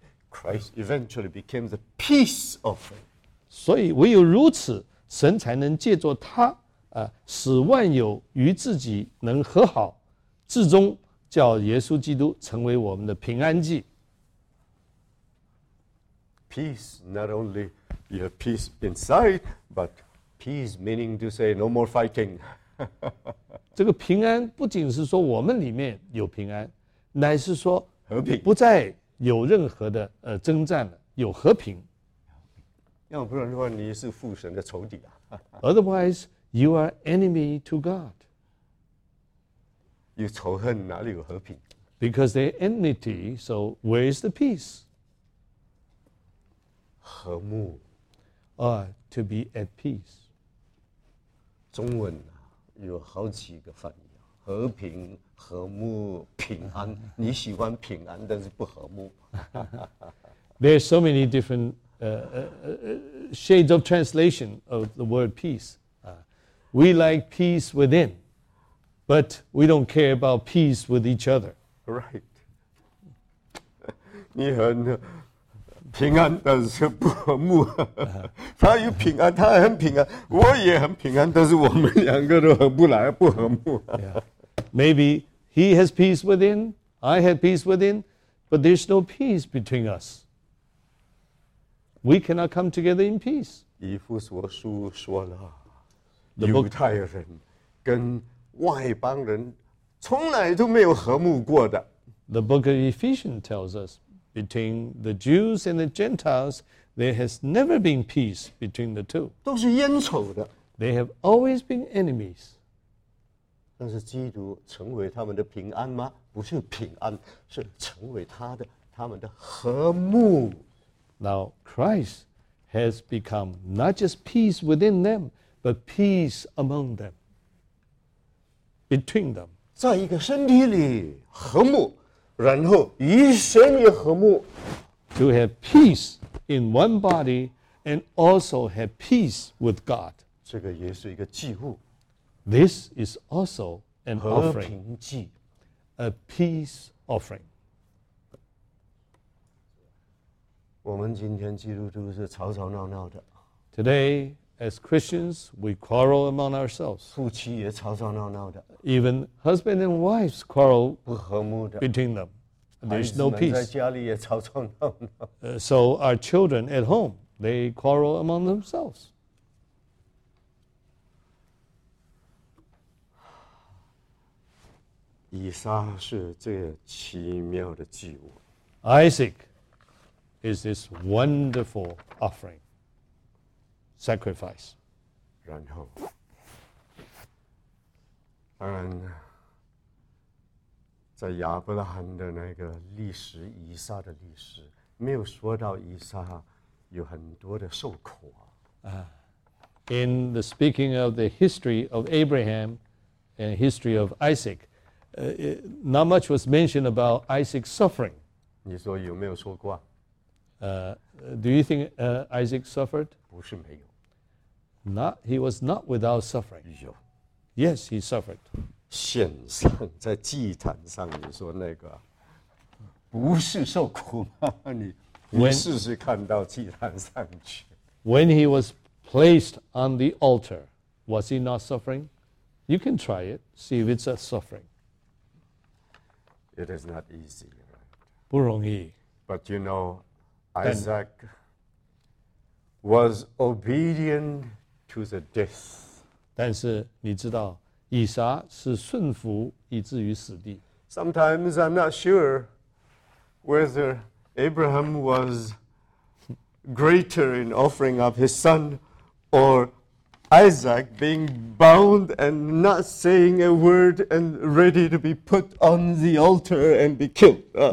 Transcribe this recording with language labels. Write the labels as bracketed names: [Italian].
[English] Christ eventually became the peace offering. [Chinese] 所以唯有如此，神才能借着他，使万有与自己能和好，至终叫耶稣基督成为我们的平安祭。 [English] Peace, not only your peace inside, but Peace meaning to say no more fighting. [Chinese] 这个平安不仅是说我们里面有平安，乃是说和平不再有任何的征战了，有和平。要不然的话，你是父神的仇敌啊。 [English] Otherwise, you are enemy to God. [Chinese] 有仇恨哪里有和平？ [English] Because they enmity, so where is the peace? [Chinese] 和睦。 [English] To be at peace. [Chinese] 中文啊，有好几个翻译啊，和平、和睦、平安。你喜欢平安，但是不和睦。 [English] There are so many different shades of translation of the word peace. We like peace within, but we don't care about peace with each other. Right. [Chinese] 你很平安，但是不和睦。他有平安，他很平安，我也很平安，但是我们两个都很不来，不和睦。 [English] Maybe he has peace within, I have peace within, but there's no peace between us. We cannot come together in peace. [Chinese] 以弗所书说了，犹太人跟外邦人从来都没有和睦过的。 [English] The book of Ephesians tells us, between the Jews and the Gentiles, there has never been peace between the two. [Chinese] 都是冤仇的。 [English] They have always been enemies. [Chinese] 但是基督成为他们的平安吗？不是平安，是成为他们的和睦。 [English] Now Christ has become not just peace within them, but peace among them, between them. [Chinese] 在一个身体里和睦，然后与神也和睦。 [English] To have peace in one body and also have peace with God. [Chinese] 这个也是一个祭物。 [English] This is also an offering, [Chinese] 和平祭, [English] a peace offering. [Chinese] 我们今天基督徒是吵吵闹闹的。 [English] Today, as Christians, we quarrel among ourselves. [Chinese] 夫妻也吵吵闹闹的。 [English] Even husband and wives quarrel [Chinese] 不和睦的 [English] between them. There's no peace. [Chinese] 孩子们在家里也吵吵闹闹。 [English] So our children at home, they quarrel among themselves. [Chinese] 以撒是这奇妙的祭物。 [English] Isaac is this wonderful offering, sacrifice. [Chinese] 然后，当然，在亚伯拉罕的那个历史，以撒的历史，没有说到以撒有很多的受苦啊。 [English] In the speaking of the history of Abraham and history of Isaac. Not much was mentioned about Isaac's suffering. [Chinese] 你说有没有说过啊? [English] Do you think Isaac suffered? [Chinese] 不是没有。 [English] Not, he was not without suffering. [Chinese] 有。 [English] Yes, he suffered. [Chinese] 献上在祭坛上，你说那个不是受苦吗？你试试看到祭坛上去。 [English] When he was placed on the altar, was he not suffering? You can try it, see if it's a suffering. It is not easy, right? [Chinese] 不容易。 [English] But you know, Isaac was obedient to the death. [Chinese] 但是你知道，以撒是顺服以至于死地。 [English] Sometimes I'm not sure whether Abraham was greater in offering up his son or Isaac being bound and not saying a word and ready to be put on the altar and be killed.